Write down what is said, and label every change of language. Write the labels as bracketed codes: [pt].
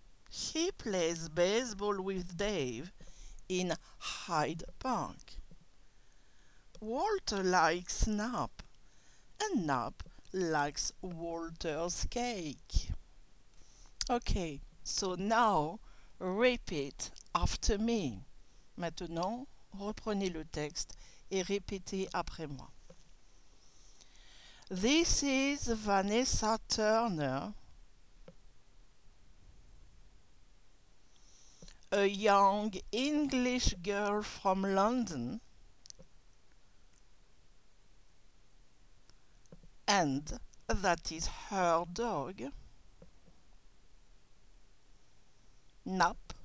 [en] He plays baseball with Dave in Hyde Park. Walter likes Nap, and Nap likes Walter's cake. Okay, so now repeat after me. [fr] Maintenant, reprenez le texte et répétez après moi. [en] This is Vanessa Turner, a young English girl from London, and that is her dog, Nap.